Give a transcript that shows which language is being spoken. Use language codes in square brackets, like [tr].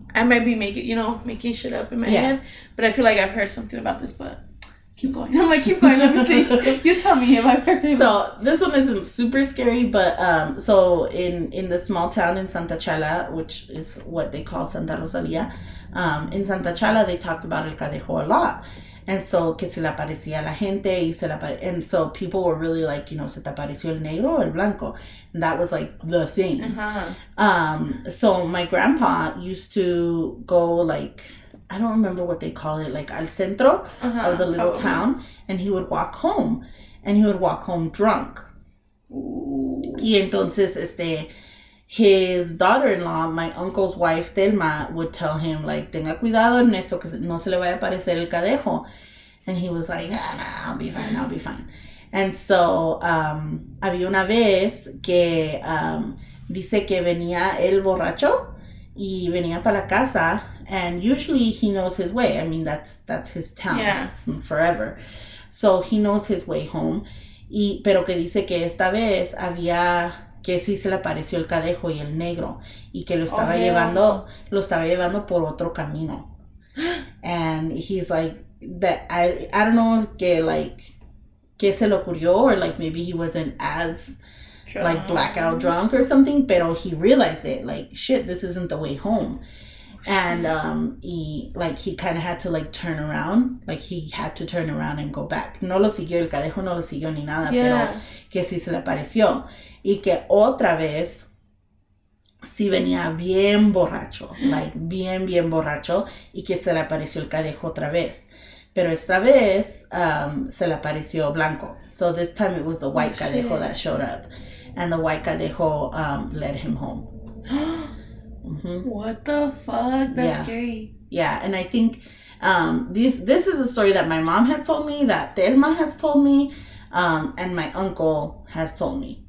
[en] I might be making shit up in my head, but I feel like I've heard something about this, but keep going. I'm like, keep going. Let me see. You tell me if I've heard it. So this one isn't super scary, but so in the small town in Santa Chala, which is what they call Santa Rosalia, in Santa Chala, they talked about El Cadejo a lot. [es] And so, que se le aparecía la gente, y se le apare- [en] and so people were really like, you know, [es] se te apareció el negro o el blanco. [en] And that was like the thing. Uh-huh. So my grandpa used to go like, I don't remember what they call it, like al centro of the little town. And he would walk home. And he would walk home drunk. Ooh. [es] Y entonces, [en] his daughter-in-law, my uncle's wife, Thelma, would tell him, like, [es] tenga cuidado, Ernesto, que no se le vaya a aparecer el cadejo. [en] And he was like, nah, I'll be fine. [es] And so, había una vez que dice que venía el borracho y venía para la casa. [en] And usually he knows his way. I mean, that's his town forever. So, he knows his way home. [es] Pero que dice que esta vez había... que sí se le apareció el cadejo y el negro, y que lo estaba llevando, lo estaba llevando por otro camino. [en] And he's like, that I don't know if que, like, [es] que se le ocurrió, [en] or like maybe he wasn't as drunk. Like blackout drunk or something, [es] pero [en] he realized it, like, shit, this isn't the way home. And he, like, he kind of had to, like, turn around. Like, he had to turn around and go back. [es] No lo siguió, el cadejo no lo siguió ni nada. Yeah. Pero que sí se le apareció. Y que otra vez sí venía bien borracho. [en] Like, [es] bien, bien borracho. Y que se le apareció el cadejo otra vez. Pero esta vez se le apareció blanco. [en] So this time it was the white cadejo that showed up. And the white cadejo led him home. Mm-hmm. What the fuck? That's scary. Yeah, and I think this is a story that my mom has told me, that Thelma has told me, and my uncle has told me.